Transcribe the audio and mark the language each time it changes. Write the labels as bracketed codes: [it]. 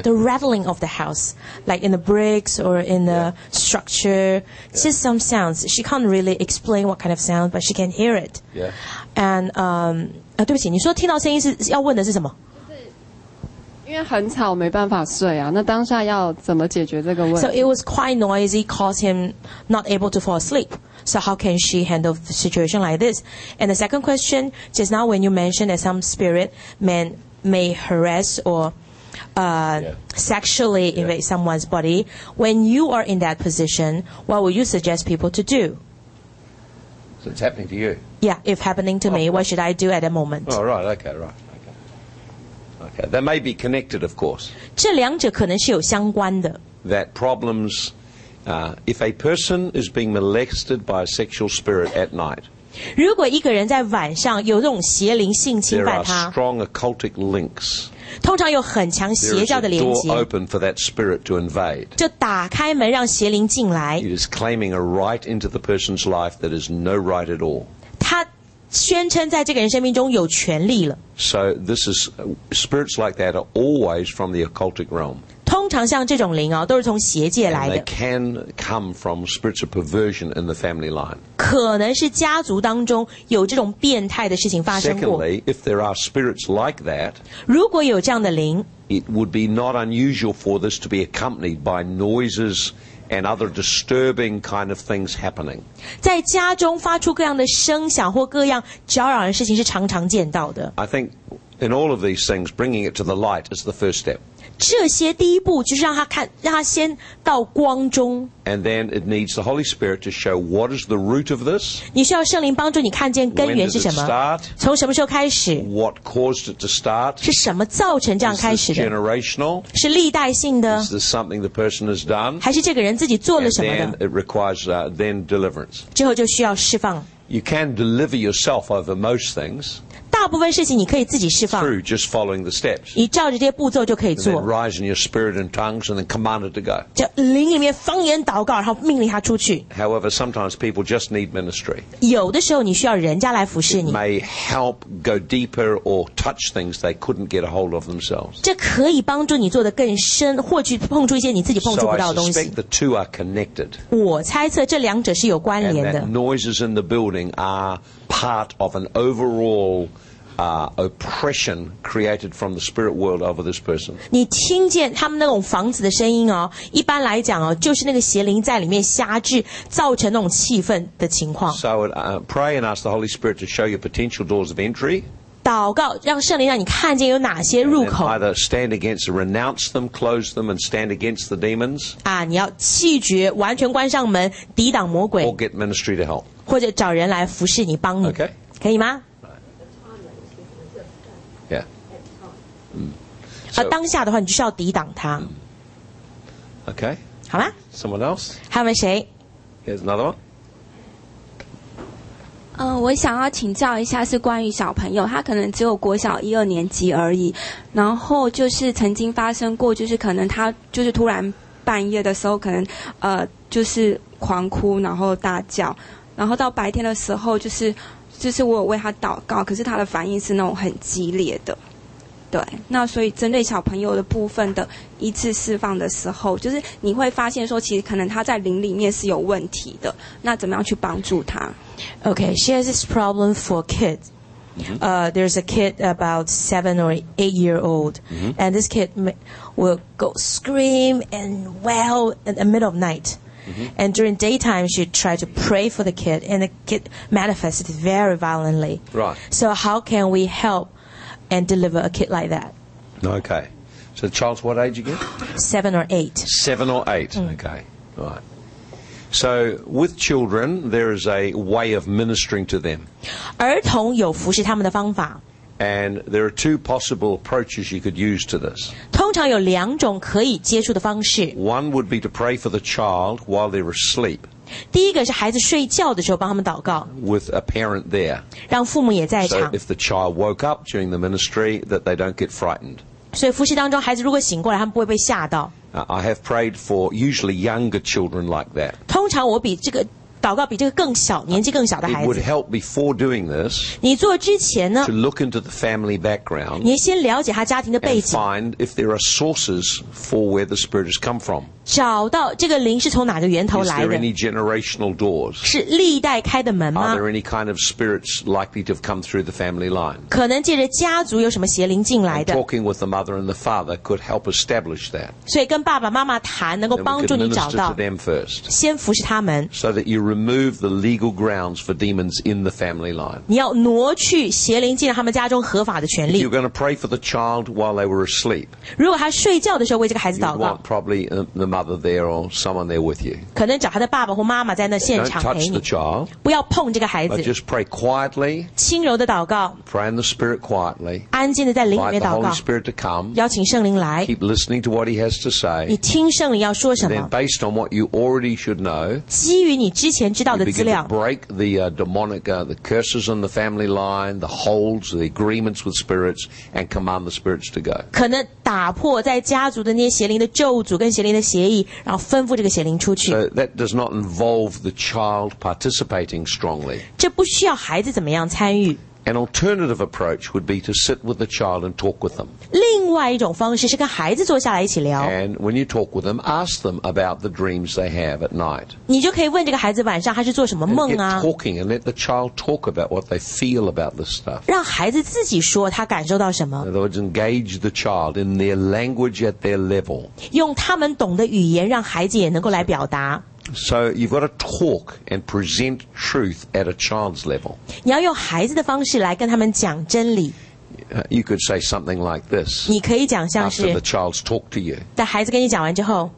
[en] The rattling of the house, like in the bricks or in the structure. Yeah. Just some sounds. She can't really explain what kind of sound, but she can hear it. Yeah. [zh] And, 对不起，你说听到声音是要问的是什么？因为很吵，没办法睡啊。那当下要怎么解决这个问题 [en] ？So it was quite noisy, caused him not able to fall asleep. So how can she handle the situation like this? And the second question, just now when you mentioned that some spirit may harass or sexually invade someone's body, when you are in that position, what would you suggest people to do? So it's happening to you. Yeah, if happening to me, what should I do at that moment? Oh, right. Okay. Right. Okay, they may be connected, of course. [zh] 这两者可能是有相关的。 [en] That problems, if a person is being molested by a sexual spirit at night, [zh] 如果一个人在晚上有这种邪灵性侵犯他 [en] there are strong occultic links. [zh] 通常有很强邪教的连接 [en] There is a door open for that spirit to invade. [zh] 就打开门让邪灵进来 [en] It is claiming a right into the person's life that is no right at all. [zh] 他宣称在这个人生命中有权利了。 [en] So this is spirits like that are always from the occultic realm. [zh] 通常像这种灵啊，都是从邪界来的。 [en] And they can come from spirits of perversion in the family line. [zh] 可能是家族当中有这种变态的事情发生过。 [en] Secondly, if there are spirits like that, [zh] 如果有这样的灵 [en] ，it would be not unusual for this to be accompanied by noises. And other disturbing kind of things happening. [zh] 在家中发出各样的声响或各样搅扰的事情是常常见到的。 [en] I think in all of these things, bringing it to the light is the first step. [zh] 这些第一步就是让他看，让他先到光中。 [en] And then it needs the Holy Spirit to show what is the root of this. [zh] 你需要圣灵帮助你看见根源是什么。 [en] Start, [zh] 从什么时候开始 [en] ？What caused it to start? [zh] 是什么造成这样开始的 [en] ？Generational? [zh] 是历代性的 [en] ？Is this something the person has done? [zh] 还是这个人自己做了什么的 [en] ？And then it requires then deliverance. [zh] 之后就需要释放。 [en] You can deliver yourself over most things. [zh] 大部分事情你可以自己释放 [en] through just following the steps. [zh] 你照着这些步骤就可以做 [en] and then rise in your spirit and tongues and then command it to go. [zh] 就灵里面方言祷告然后命令他出去 [en] However, sometimes people just need ministry. [zh] 有的时候你需要人家来服侍你 [en] It may help go deeper or touch things they couldn't get a hold of themselves. [zh] 这可以帮助你做得更深或去碰触一些你自己碰触不到的东西 [en] So I suspect the two are connected. [zh] 我猜测这两者是有关联的 [en] And that noises in the building are part of an overalloppression created from the spirit world over this person. [zh] 你听见他们那种房子的声音哦，一般来讲哦，就是那个邪灵在里面辖制，造成那种气氛的情况。 [en] So pray and ask the Holy Spirit to show you potential doors of entry. [zh] 祷告，让圣灵让你看见有哪些入口。 [en] And either stand against, renounce them, close them, and stand against the demons. [zh] 啊，你要弃绝，完全关上门，抵挡魔鬼。 [en] Or get ministry to help. [zh] 或者找人来服侍你，帮你。 [en] Okay. [zh] 可以吗？ [en] So, [zh] 当下的话，你就需要抵挡它。 [en] Okay. [zh] 好吗 [en] ？Someone else. [zh] 还有谁 [en] ？Here's another one. [zh] 我想要请教一下，是关于小朋友，他可能只有国小一二年级而已。然后就是曾经发生过，就是可能他就是突然半夜的时候，可能就是狂哭，然后大叫，然后到白天的时候，就是我有为他祷告，可是他的反应是那种很激烈的。对，那所以针对小朋友的部分的一次释放的时候，就是你会发现说，其实可能他在灵里面是有问题的。那怎么样去帮助他 [en] ？Okay, she has this problem for kids. There's a kid about 7 or 8 year old, and this kid will go scream and wail in the middle of night. And during daytime, she tried to pray for the kid, and the kid manifested very violently. Right. So how can we help? And deliver a kid like that. Okay. So the child's what age again? 7 or 8. Seven or eight. Okay. All right. So with children, there is a way of ministering to them. [zh] 儿童有服侍他们的方法。 [en] And there are two possible approaches you could use to this. [zh] 通常有两种可以接触的方式。 [en] One would be to pray for the child while they were asleep. [zh] 第一个是孩子睡觉的时候帮他们祷告。 [en] With a parent there. [zh] 让父母也在场。 [en] So if the child woke up during the ministry, that they don't get frightened. [zh] 所以服侍当中孩子如果醒过来他们不会被吓到 [en] I have prayed for usually younger children like that [zh] 通常我比这个祷告比这个更小年纪更小的孩子 [en] It would help before doing this [zh] 你做之前呢 [en] To look into the family background [zh] 你先了解他家庭的背景 [en] And find if there are sources for where the spirit has come from [zh] 找到这个灵是从哪个源头来的 [en] Is there any generational doors [zh] 是历代开的门吗 [en] Are there any kind of spirits likely to have come through the family line [zh] 可能借着家族有什么邪灵进来的 [en] And talking with the mother and the father could help establish that [zh] 所以跟爸爸妈妈谈能够帮助你找到 [en] them first [zh] 先服侍他们 [en] So that you remove the legal grounds for demons in the family line [zh] 你要挪去邪灵进到他们家中合法的权利 [en] You're going to pray for the child while they were asleep [zh] 如果他睡觉的时候为这个孩子祷告 [en] You want probably the mother there or someone there with you [zh] 可能找他的爸爸或妈妈在那现场陪你 [en] Don't touch the child [zh] 不要碰这个孩子 [en] But just pray quietly [zh] 轻柔的祷告 [en] Pray in the spirit quietly [zh] 安静的在灵里面祷告 [en] Invite the Holy Spirit to come [zh] 邀请圣灵来 [en] Keep listening to what he has to say [zh] 你听圣灵要说什么 [en] Then based on what you already should know [zh] 基于你之前知道的资料 [en] You begin to break the demonic the curses on the family line the holds the agreements with spirits and command the spirits to go [zh] 可能打破在家族的那些邪灵的咒诅跟邪灵的协议然后吩咐这个邪灵出去 [en] So that does not involve the child participating strongly [zh] 这不需要孩子怎么样参与 [en] An alternative approach would be to sit with the child and talk with them [zh] 另外一种方式是跟孩子坐下来一起聊 [en] And when you talk with them ask them about the dreams they have at night [zh] 你就可以问这个孩子晚上他是做什么梦啊 [en] And get talking and let the child talk about what they feel about this stuff [zh] 让孩子自己说他感受到什么 [en] In other words, engage the child in their language at their level [zh] 用他们懂的语言让孩子也能够来表达 [en] So you've got to talk and present truth at a child's level. [zh] 你要用孩子的方式来跟他们讲真理。 [en] You could say something like this. [zh] 你可以讲像是 [en] After the child's talked to you. [zh] 在孩子跟你讲完之后